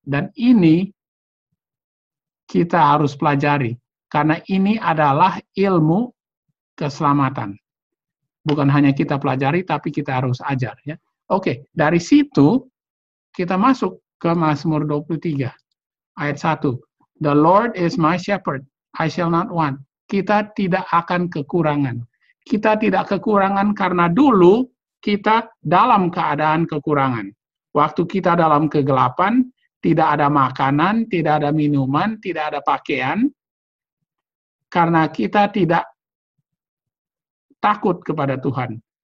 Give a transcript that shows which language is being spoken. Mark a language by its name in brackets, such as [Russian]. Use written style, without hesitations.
[Indonesian] Dan ini kita harus pelajari, karena ini adalah ilmu keselamatan. Bukan hanya kita pelajari, tapi kita harus ajar. Ya. Oke, dari situ kita masuk ke Mazmur 23, ayat 1. [English] The Lord is my shepherd, I shall not want. [Indonesian] Kita tidak akan kekurangan. Kita tidak kekurangan karena dulu kita dalam keadaan kekurangan. Waktu kita dalam kegelapan, tidak ada makanan, tidak ada minuman, tidak ada pakaian. Karena kita tidak takut kepada Tuhan.